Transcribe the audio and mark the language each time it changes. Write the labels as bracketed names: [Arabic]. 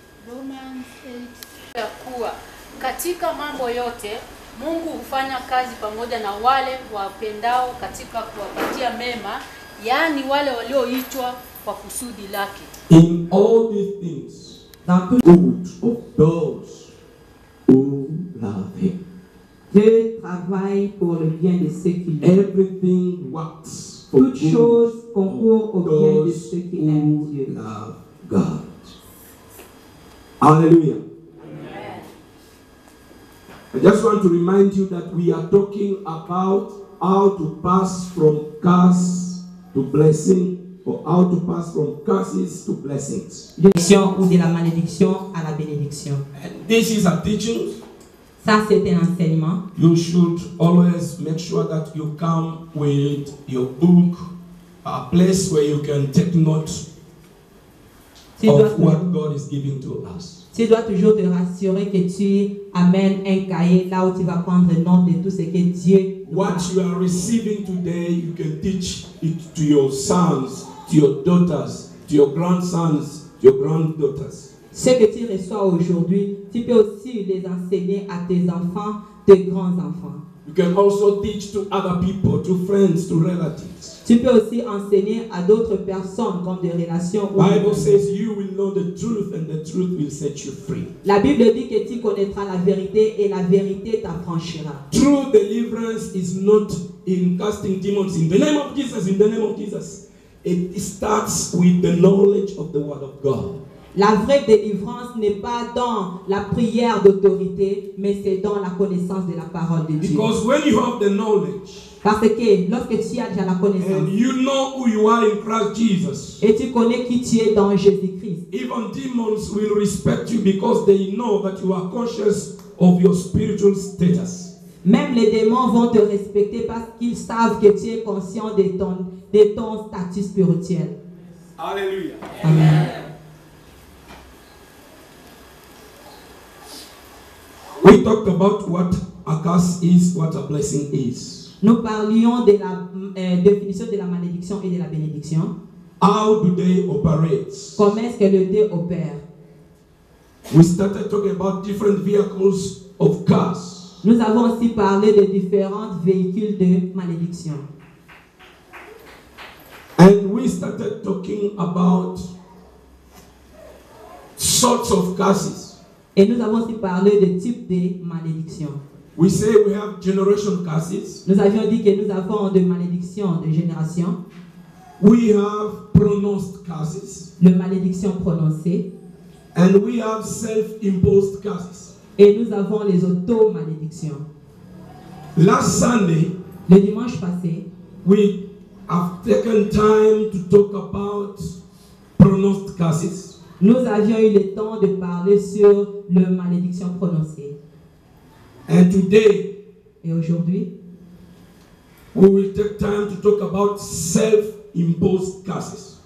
[Swahili] Romans 8, ya kuwa, katika mambo yote, Mungu hufanya kazi pamoja na wale wapendao katika kuwapatia mema, yani wale walioitwa kwa kusudi lake. [English] In all these things, the good of those who love him. [French] Dieu travaille pour le bien de ceux qui l'aiment. [English] Everything works for [French] toute chose concourt au bien de ceux qui aiment Dieu. [English] Love God. Alléluia. Amen. I just want to remind you that we are talking about how to pass from curse to blessing, or how to pass from curses to blessings. [French] Bénédiction ou de la malédiction à la bénédiction. [English] And this is a teaching. [French] Ça, c'est un enseignement. [English] You should always make sure that you come with your book, a place where you can take notes of what God is giving to us. [French] Tu dois toujours te rassurer que tu amènes un cahier là où tu vas prendre note de tout ce que Dieu. [English] What you are receiving today, you can teach it to your sons, to your daughters, to your grandsons, to your granddaughters. [French] Ce que tu reçois aujourd'hui, tu peux aussi les enseigner à tes enfants, tes grands-enfants. [English] You can also teach to other people, to friends, to relatives. [French] Tu peux aussi enseigner à d'autres personnes comme des relations. [English] Bible says you will know the truth and the truth will set you free. [French] La Bible dit que tu connaîtras la vérité et la vérité t'affranchira. [English] True deliverance is not in casting demons in the name of Jesus, in the name of Jesus. It starts with the knowledge of the word of God. [French] La vraie délivrance n'est pas dans la prière d'autorité, mais c'est dans la connaissance de la parole de Dieu. [English] Because when you have the knowledge, [French] parce que lorsque tu as déjà la connaissance, [English] and you know who you are in Christ Jesus, [French] et tu connais qui tu es dans Jésus-Christ, [English] even demons will respect you because they know that you are conscious of your spiritual status. [French] Même les démons vont te respecter parce qu'ils savent que tu es conscient de ton statut spirituel. Alléluia. Amen. [English] We talked about what a curse is, what a blessing is. [French] Nous parlions de la définition de la malédiction et de la bénédiction. [English] How do they operate? [French] Comment est-ce que le dé opère? [English] We started talking about different vehicles of curse. [French] Nous avons aussi parlé de différents véhicules de malédiction. [English] And we started talking about sorts of curses. [French] Et nous avons aussi parlé de types de malédictions. [English] We say we have generation curses. [French] Nous avions dit que nous avons des malédictions de génération. [English] We have pronounced curses. [French] Le malédiction prononcée. [English] And we have self-imposed curses. [French] Et nous avons les auto-malédictions. [English] Last Sunday, [French] le dimanche passé, [English] we have taken time to talk about pronounced curses. [French] Nous avions eu le temps de parler sur la malédiction prononcée. [English] And today, [French] et aujourd'hui, [English] we will take time to talk about self-imposed curses.